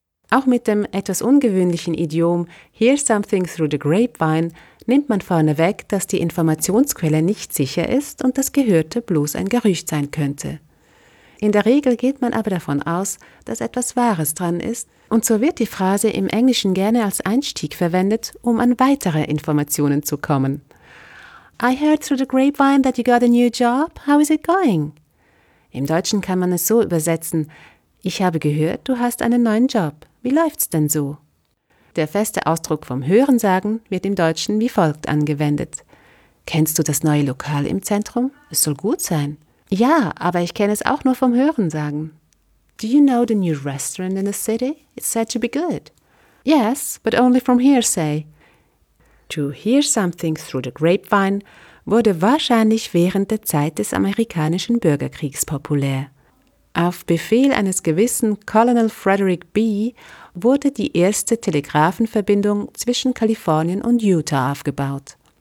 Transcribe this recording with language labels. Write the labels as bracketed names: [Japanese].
[German] Auch mit dem etwas ungewöhnlichen Idiom [English] hear something through the grapevine [German] nimmt man vorneweg, dass die Informationsquelle nicht sicher ist und das Gehörte bloß ein Gerücht sein könnte. In der Regel geht man aber davon aus, dass etwas Wahres dran ist, und so wird die Phrase im Englischen gerne als Einstieg verwendet, um an weitere Informationen zu kommen. [English] I heard through the grapevine that you got a new job. How is it going? [German] Im Deutschen kann man es so übersetzen: Ich habe gehört, du hast einen neuen Job. Wie läuft's denn so? Der feste Ausdruck vom Hörensagen wird im Deutschen wie folgt angewendet. Kennst du das neue Lokal im Zentrum? Es soll gut sein. Ja, aber ich kenne es auch nur vom Hörensagen. [English] Do you know the new restaurant in the city? It's said to be good. Yes, but only from hearsay. To hear something through the grapevine [German] wurde wahrscheinlich während der Zeit des amerikanischen Bürgerkriegs populär. Auf Befehl eines gewissen Colonel Frederick B. wurde die erste Telegrafenverbindung zwischen Kalifornien und Utah aufgebaut.